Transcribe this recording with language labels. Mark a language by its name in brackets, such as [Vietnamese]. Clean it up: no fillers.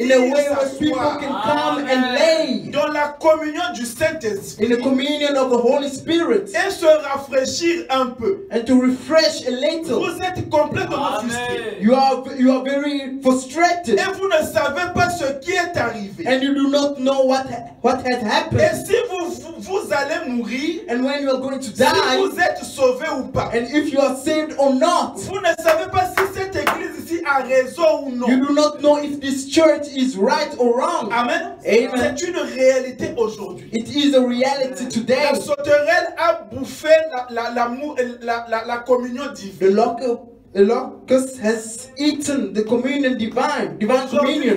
[English] In a way where people can come Amen. And lay. [French] Dans la communion du Saint-Esprit. [English] In the communion of the Holy Spirit. [French] Et se rafraîchir un peu. [English] And to refresh a little. [French] Vous êtes complètement frustré. [English] You are very frustrated. [French] Et vous ne savez pas ce qui est arrivé. [English] And you do not know what has happened. [French] Et si vous allez mourir, [English] and when you are going to die, [French] si vous êtes sauvé ou pas, [English] and if you are saved or not, [French] vous ne savez pas si cette église ici a raison ou non. [English] You do not know if this church is right or wrong. Amen. Amen. [French] C'est une réalité aujourd'hui. [English] It is a reality today. [French] La sauterelle a bouffé la communion divine. [English] The locust has eaten the communion divine communion.